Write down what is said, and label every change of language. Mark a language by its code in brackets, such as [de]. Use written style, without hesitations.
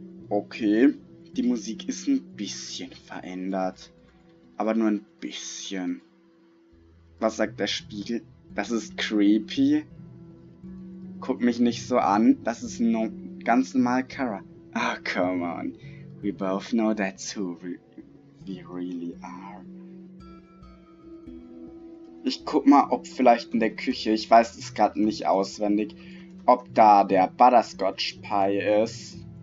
[de] Okay, die Musik ist ein bisschen verändert. Aber nur ein bisschen. Was sagt der Spiegel? Das ist creepy. Guck mich nicht so an, das ist nur ganz normal Kara. [en] Oh, come on. We both know that's who we really are. [de] Ich guck mal, ob vielleicht in der Küche, ich weiß es gerade nicht auswendig, ob da der Butterscotch Pie ist.